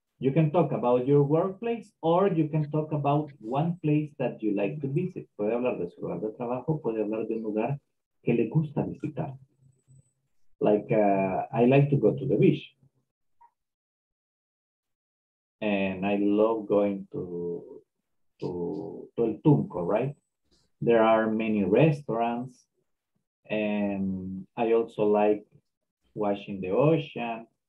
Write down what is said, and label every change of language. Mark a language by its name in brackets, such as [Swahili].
[English] You can talk about your workplace or you can talk about one place that you like to visit. [Spanish] Puede hablar de su lugar de trabajo, puede hablar de un lugar que le gusta visitar. [English] Like, I like to go to the beach. And I love going to El Tunco, right? There are many restaurants. And I also like watching the ocean.